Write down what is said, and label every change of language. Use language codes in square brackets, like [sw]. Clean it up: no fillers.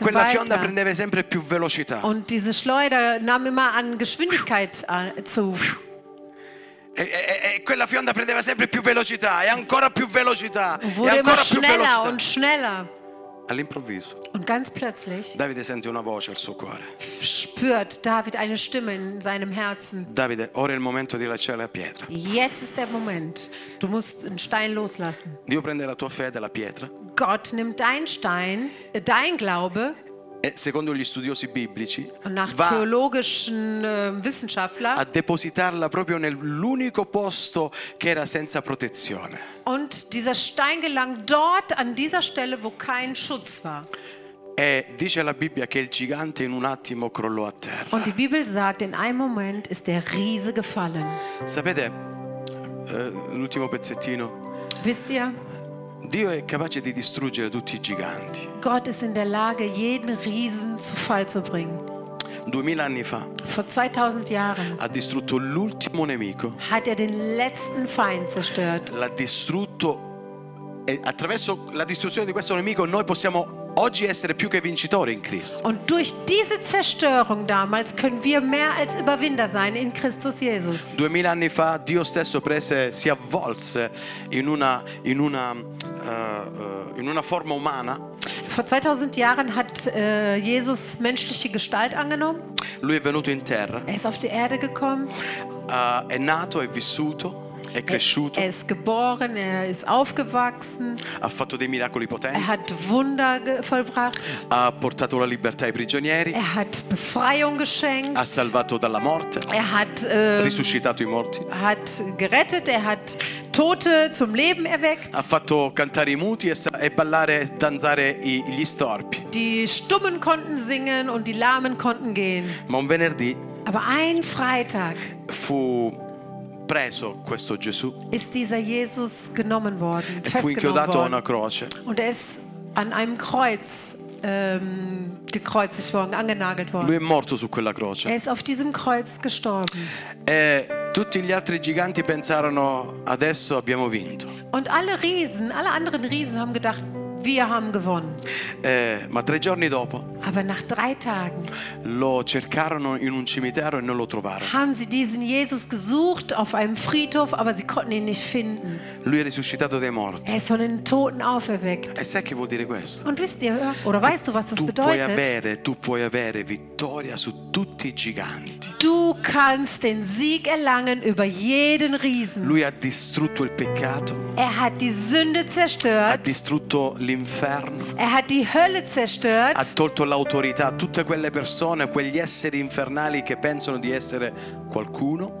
[it] E quella fionda prendeva sempre più velocità. [de] Und diese Schleuder nahm immer an Geschwindigkeit zu. [it] E quella fionda prendeva sempre più velocità e ancora più velocità [de] wurde [it] e ancora [de] schneller [it] più velocità [de] und schneller. [it] All'improvviso [de] und ganz plötzlich [it] Davide sente una voce al suo cuore. [de] Spürt David eine Stimme in seinem Herzen. [it] Davide, ora è il momento di lasciare la pietra. [de] Jetzt ist der Moment. Du musst einen Stein loslassen. [it] Dio prende la tua fede, la pietra. [de] Gott nimmt deinen Stein, dein Glaube. [it] E secondo gli studiosi biblici [de] va teologischen Wissenschaftler [it] a depositarla proprio nell'unico posto che era senza protezione. [de] Und dieser Stein gelang dort an dieser Stelle, wo kein Schutz war. [it] E dice la Bibbia che il gigante in un attimo crollò a terra. [de] Und die Bibel sagt, in einem Moment ist der Riese gefallen. [it] Sapete, l'ultimo pezzettino. [de] Wisst ihr? [it] Dio è capace di distruggere tutti i giganti. [de] Gott ist in der Lage, jeden Riesen zu Fall zu bringen. [it] 2000 anni fa. [de] Vor 2000 Jahren. [it] Ha distrutto l'ultimo nemico. [de] Hat er den letzten Feind zerstört. [it] L'ha distrutto e attraverso la distruzione di questo nemico noi possiamo oggi essere più che vincitori in Cristo. [de] Und durch diese Zerstörung damals können wir mehr als Überwinder sein in Christus Jesus. [it] 2000 anni fa Dio stesso prese si avvolse in una forma umana. [de] Vor 2000 Jahren hat Jesus menschliche Gestalt angenommen. [it] Lui è venuto in terra. [de] Er ist auf die Erde gekommen. [it] È nato, è vissuto. È cresciuto. [de] Er ist geboren, er ist aufgewachsen. [it] Ha fatto dei miracoli potenti. [de] Er hat Wunder vollbracht. [it] Ha portato la libertà ai prigionieri. [de] Er hat Befreiung geschenkt. [it] Ha salvato dalla morte. [de] Er hat [it] risuscitato i morti. [de] Hat gerettet, er hat Tote zum Leben erweckt. [it] Ha fatto cantare i muti e ballare, danzare gli storpi. [de] Die Stummen konnten singen und die Lahmen konnten gehen. [it] Ma un venerdì. [de] Aber ein Freitag. [it] Fu preso questo Gesù. [de] Ist dieser Jesus genommen worden? [it] E fu inchiodato a una croce. [de] Und er ist an einem Kreuz gekreuzigt worden, angenagelt worden. [it] Lui è morto su quella croce. [de] Er ist auf diesem Kreuz gestorben. [it] E tutti gli altri giganti pensarono: adesso abbiamo vinto. [de] Und alle Riesen, alle anderen Riesen haben gedacht, wir haben gewonnen. [it] Ma tre giorni dopo, [de] aber nach drei Tagen, [it] lo cercarono in un cimitero e non lo trovarono. [de] Haben sie diesen Jesus gesucht auf einem Friedhof, aber sie konnten ihn nicht finden. [it] Lui è risuscitato dai morti. [de] Er ist von den Toten auferweckt. [it] E sai che vuol dire questo? [de] Und wisst ihr, oder weißt du, was das bedeutet? [it] Tu puoi avere vittoria su tutti i giganti. [de] Du kannst den Sieg erlangen über jeden Riesen. [it] Lui ha distrutto il peccato. [de] Er hat die Sünde zerstört. [it] Ha distrutto l'inferno. [de] Er hat die Hölle zerstört. [it] Ha tolto l'autorità a tutte quelle persone, quegli esseri infernali che pensano di essere qualcuno.